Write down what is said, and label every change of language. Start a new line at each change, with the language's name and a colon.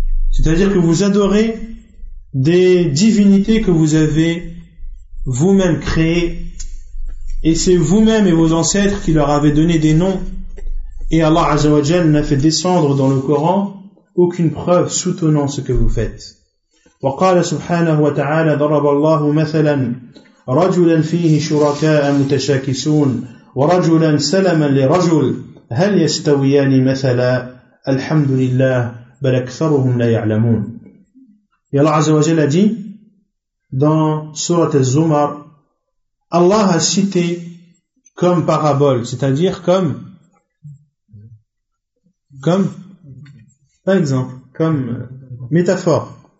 French: C'est-à-dire que vous adorez des divinités que vous avez vous-même créées, et c'est vous-même et vos ancêtres qui leur avez donné des noms, et Allah Azza wa Jal n'a fait descendre dans le Coran aucune preuve soutenant ce que vous faites.
Arabic: وقال سبحانه وتعالى ضرب الله مثلا رجلا فيه شركاء متشاكسون ورجلا سلما لرجل هل يستويان مثلا الحمد لله بل أكثرهم لا يعلمون.
French: Et Allah Azza wa Jal a dit dans sourate Az-Zumar, Allah a cité comme parabole, c'est-à-dire comme par exemple, comme métaphore.